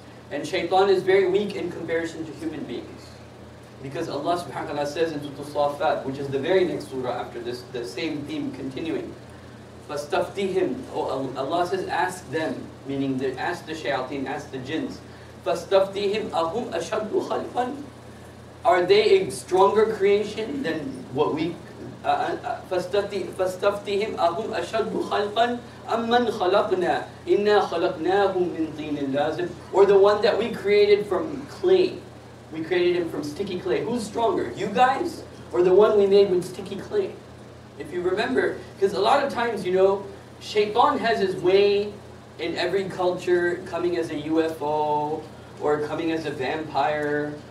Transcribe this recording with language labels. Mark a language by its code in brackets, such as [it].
[en] And Shaytan is very weak in comparison to human beings. Because Allah subhanahu wa ta'ala says in Surah Safat, which is the very next surah after this, the same theme continuing. [ar] فَاسْتَفْتِهِمْ [en] Allah says, ask them, meaning the, ask the shayateen, ask the jinns. [ar] فَاسْتَفْتِهِمْ أَهُمْ أَشَدُّ خَلْفًا [en] Are they a stronger creation than what we... [ar] فَاسْتَفْتِهِمْ أَهُمْ أَشَدُّ خَلْفًا أَمَّنْ خَلَقْنَا إِنَّا خَلَقْنَاهُمْ مِنْ طِينٍ لَازِمٍ [en] Or the one that we created from clay. We created him from sticky clay. Who's stronger, you guys? Or the one we made with sticky clay? If you remember, because a lot of times, you know, Shaytan has his way in every culture, coming as a UFO, or coming as a vampire,